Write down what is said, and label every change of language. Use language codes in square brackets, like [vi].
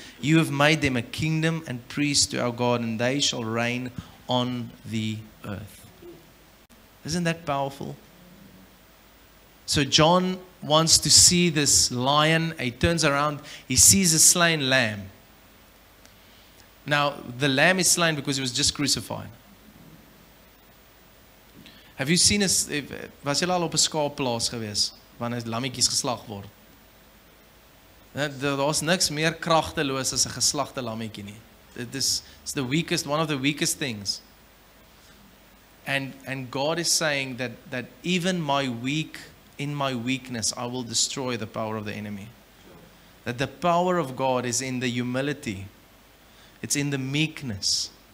[en] You have made them a kingdom and priests to our God, and they shall reign on the earth." Isn't that powerful? So John wants to see this lion. He turns around. He sees a slain lamb. Now, the lamb is slain because he was just crucified. Have you seen us? [af] Was jy al op 'n skaapplaas gewees wanneer lammetjies geslag word? Daar's niks meer kragteloos as 'n geslagte lammetjie nie. [en] It's the weakest, one of the weakest things. And God is saying that even in my weakness, I will destroy the power of the enemy. That the power of God is in the humility. It's in the meekness.